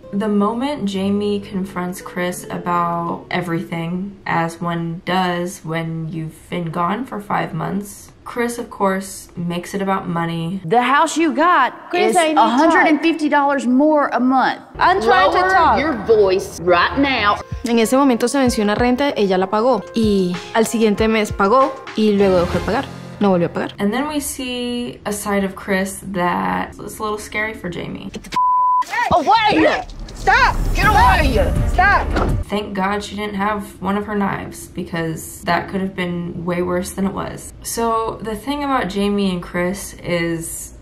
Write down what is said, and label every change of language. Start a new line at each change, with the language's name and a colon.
English: The moment Jamie confronts Chris about everything, as one does when you've been gone for 5 months, Chris, of course, makes it about money. The house you got, Chris, is $150 more a month. I'm trying to talk. Lower your voice right now.
Spanish: En ese momento se venció una renta, ella la pagó. Y al siguiente mes pagó y luego dejó de pagar. No volvió a pagar.
English: And then we see a side of Chris that is a little scary for Jamie. Away! Stop! Get away! Stop! Thank God she didn't have one of her knives, because that could have been way worse than it was. So the thing about Jamie and Chris is,